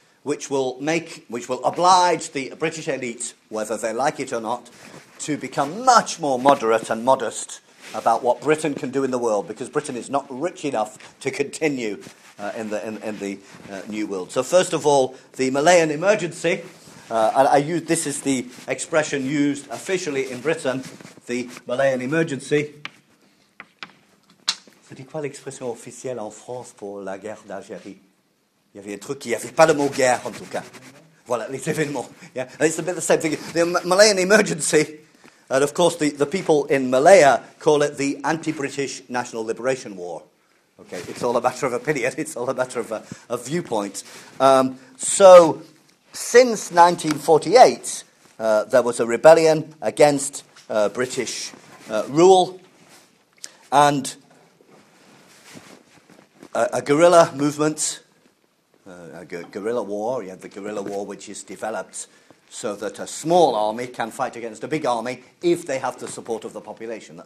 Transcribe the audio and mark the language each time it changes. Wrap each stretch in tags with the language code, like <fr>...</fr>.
<en>which will oblige the British elite, whether they like it or not, to become much more moderate and modest about what Britain can do in the world, because Britain is not rich enough to continue in the New World. So first of all, the Malayan emergency, this is the expression used officially in Britain, the Malayan emergency.</en> <fr>C'est quoi l'expression officielle en France pour la guerre d'Algérie? Il y avait un truc, il n'y avait pas le mot guerre en tout cas. Voilà, les événements.</fr> <en>Yeah, it's a bit the same thing. The Malayan emergency, and of course the people in Malaya call it the anti-British National Liberation War. Okay, it's all a matter of opinion, it's all a matter of a viewpoint. So since 1948, there was a rebellion against British rule, and a guerrilla movement, guerrilla war, you have the guerrilla war, which is developed so that a small army can fight against a big army if they have the support of the population.</en>